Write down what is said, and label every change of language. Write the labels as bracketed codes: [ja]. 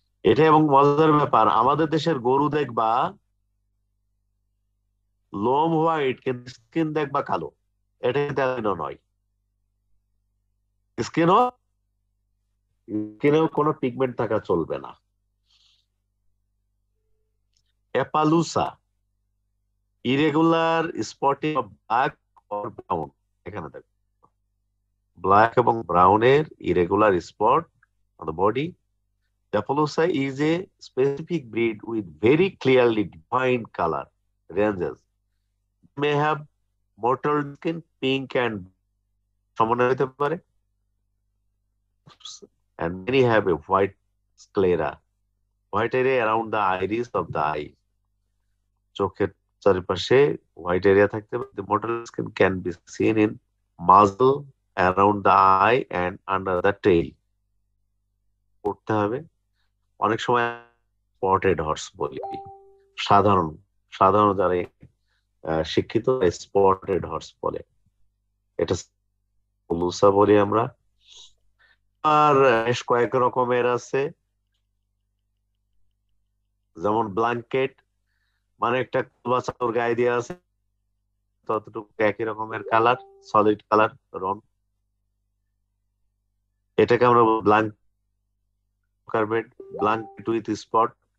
[bn] এটা এবং মজার ব্যাপার, আমাদের দেশের গরু দেখবা লোম হোয়াইট কিন্তু স্কিন দেখবা কালো, এটা অ্যালবিনো নয়, স্কিনও কোনো পিগমেন্ট থাকা চলবে না। অ্যাপালুসা, [en] irregular spotting of black or brown, [bn] এখানে দেখ ব্ল্যাক এবং ব্রাউনের [en] Irregular spot on the body. Appaloosa is a specific breed with very clearly defined color ranges. They may have mottled skin, pink and blue, and many have a white sclera, white area around the iris of the eye. [bn] Chokher charipashe white area thakte pare. [en] The mottled skin can be seen in muzzle, around the eye and under the tail. [bn] Korte hobe অনেক সময় spotted horse বলি, সাধারণ সাধারণ যারা শিক্ষিত spotted horse বলে, এটা পালুসা বলি আমরা। আর বেশ কয়েক রকমের আছে, যেমন ব্ল্যাঙ্কেট মানে একটা কলবাসার গায়ে দিয়ে আছে ততটুকু একই রকমের কালার, সলিড কালার রং, এটাকে আমরা blanket carpet, blanket with spot.